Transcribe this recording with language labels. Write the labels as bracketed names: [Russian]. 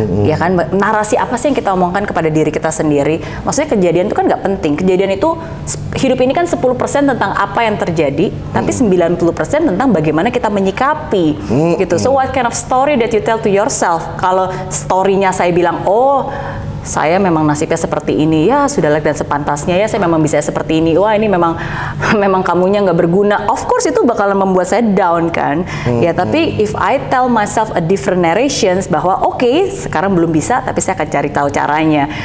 [Indonesian] Ya kan, narasi apa sih yang kita omongkan kepada diri kita sendiri. Maksudnya kejadian itu kan gak penting. Kejadian itu, hidup ini kan 10% tentang apa yang terjadi, tapi 90% tentang bagaimana kita menyikapi. Gitu. [English] So what kind of story that you tell to yourself? [Indonesian] Kalau story-nya saya bilang, oh, saya memang nasibnya seperti ini, ya sudah lah dan sepantasnya ya saya memang bisa seperti ini. Wah, ini memang kamunya nggak berguna. [English] Of course [Indonesian] itu bakalan membuat saya down kan. Ya tapi [English] if I tell myself a different narrations [Indonesian] bahwa okay, sekarang belum bisa tapi saya akan cari tahu caranya.